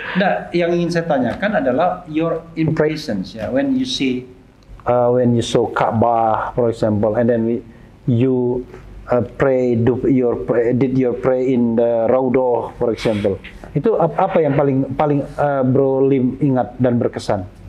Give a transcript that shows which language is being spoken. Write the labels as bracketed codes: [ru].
[id] Nah, yang ingin saya tanyakan adalah [en] your impressions, [id] ya, [en] when you see, when you saw Ka'bah, for example, and then you pray, did your pray in the Raudhah, for example. [ms] Itu apa yang paling Bro Lim ingat dan berkesan?